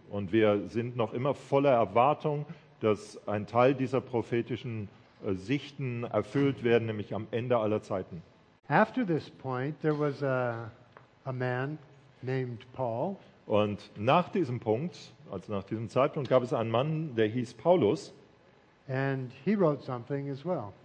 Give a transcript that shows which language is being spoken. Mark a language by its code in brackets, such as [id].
[de] Und wir sind noch immer voller Erwartung, dass ein Teil dieser prophetischen Sichten erfüllt werden, nämlich am Ende aller Zeiten. [en] After this point, there was a man named Paul. [de] Und nach diesem Punkt, also nach diesem Zeitpunkt, gab es einen Mann, der hieß Paulus. [en] And he wrote something as well.